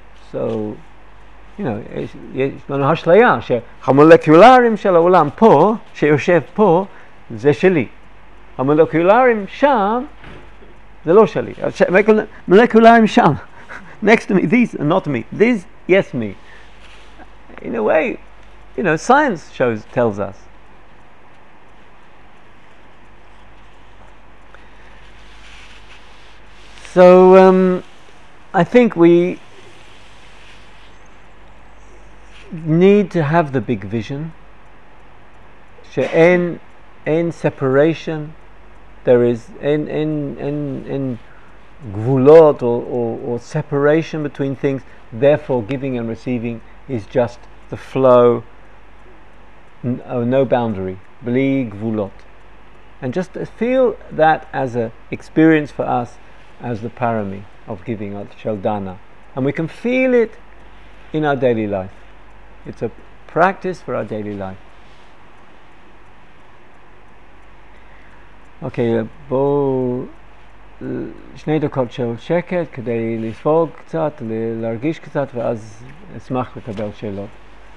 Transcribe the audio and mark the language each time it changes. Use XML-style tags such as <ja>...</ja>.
<he>So, you know, יש לנו השליה שהמולקולרים של העולם פה, שיושב פה, זה שלי. המולקולרים שם, זה לא שלי. מולקולרים שם,</he> <en>next to me, these are not me. These, yes me. In a way, you know, science shows, tells us. So, I think we need to have the big vision.</en> <he>She'en en</he> <en>separation, there is</en> <he>en gvulot</he> <en>or separation between things. Therefore, giving and receiving is just the flow. No boundary,</en> <he>bli gvulot,</he> <en>and just feel that as a experience for us, as the parami of giving of Sheldana, and we can feel it in our daily life. It's a practice for our daily life.</en> <he>Okay, בו שני דקות של שקט כדי לספוג קצת, להרגיש קצת, ואז אשמח לקבל שאלות.</he>